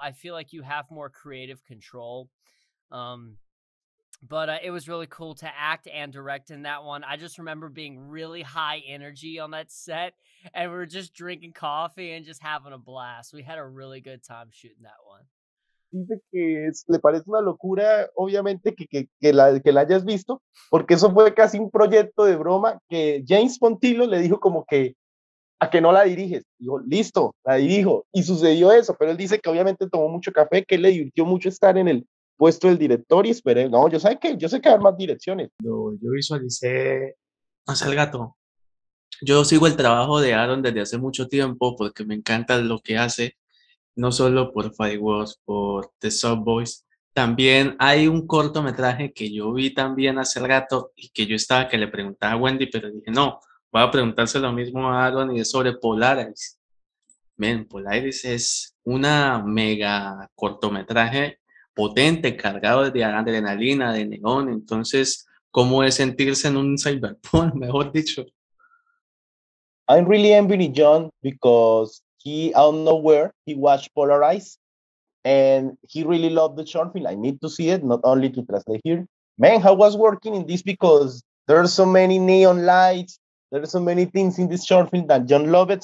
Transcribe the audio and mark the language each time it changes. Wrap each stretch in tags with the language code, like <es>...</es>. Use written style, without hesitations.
<en>I feel like you have more creative control. But it was really cool to act and direct in that one. I just remember being really high energy on that set, and we were just drinking coffee and just having a blast. We had a really good time shooting that one.</en> <es>Dice que le parece una locura, obviamente, que la hayas visto, porque eso fue casi un proyecto de broma que James Pontillo le dijo como que a que no la diriges. Dijo, listo, la dirijo. Y sucedió eso, pero él dice que obviamente tomó mucho café, que él le divirtió mucho estar en el puesto del director y esperé. No, yo sé que va a haber más direcciones. No, yo visualicé más al gato. Yo sigo el trabajo de Aaron desde hace mucho tiempo porque me encanta lo que hace, no solo por Fireworks, por The Subboys. También hay un cortometraje que yo vi también hace rato y que yo estaba que le preguntaba a Wendy, pero dije, no, voy a preguntarse lo mismo a Aaron, y es sobre Polarize. Men, Polarize es una mega cortometraje potente, cargado de adrenalina, de neón. Entonces, ¿cómo es sentirse en un cyberpunk, mejor dicho?</es> <en>I'm really envying John because he, out of nowhere, he watched Polarize and he really loved the short film. I need to see it, not only to translate here. Man, how was working in this? Because there are so many neon lights, there are so many things in this short film that John loved it.</en>